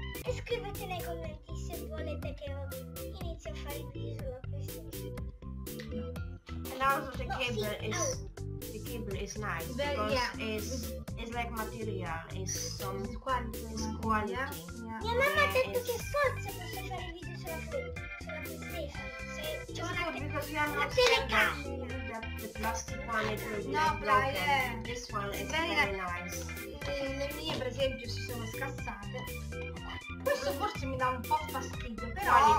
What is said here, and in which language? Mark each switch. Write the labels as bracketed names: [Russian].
[Italian] E scrivete nei commenti se volete che io inizi a fare il video sulla PlayStation. [English] No. And also the cable the cable is nice. Very, because yeah. it's like material, it's some quality. It's quality. Yeah. Yeah. [Italian] Mia mamma ha detto che forse posso fare il video sulla PlayStation. Sì, c'è una telecamera. [English] The plastic one is really broken. This one is very nice. [Italian] Le mie per esempio si sono scassate. Questo forse mi dà un po' fastidio, però...